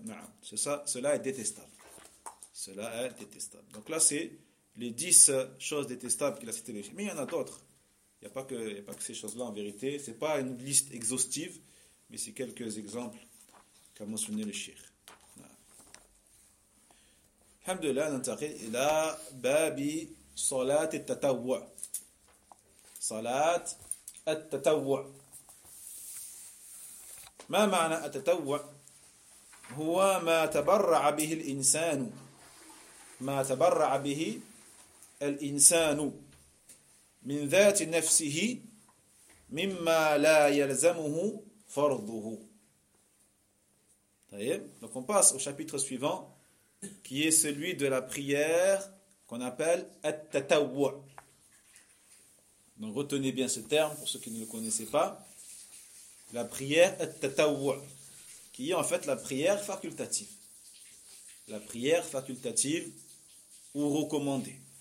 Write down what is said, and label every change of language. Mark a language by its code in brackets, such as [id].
[fr] Non, cela est détestable. Cela est détestable. Donc là, c'est les 10 choses détestables qu'il a citées. Mais il y en a d'autres. Il n'y a pas que ces choses-là, en vérité. Ce n'est pas une liste exhaustive, mais c'est quelques exemples qu'a mentionné le Cheikh. [ar] الحمد لله ننتقل إلى باب صلاة التطوع. صلاة التطوع. ما معنى التطوع؟ هو ما تبرع به الإنسان. ما تبرع به الإنسان من ذات نفسه مما لا يلزمه فرضه. طيب. [fr] Donc on passe au chapitre suivant, qui est celui de la prière qu'on appelle At-Tatawwu'. Donc retenez bien ce terme pour ceux qui ne le connaissaient pas. La prière At-Tatawwu'. Qui est en fait la prière facultative. La prière facultative ou recommandée.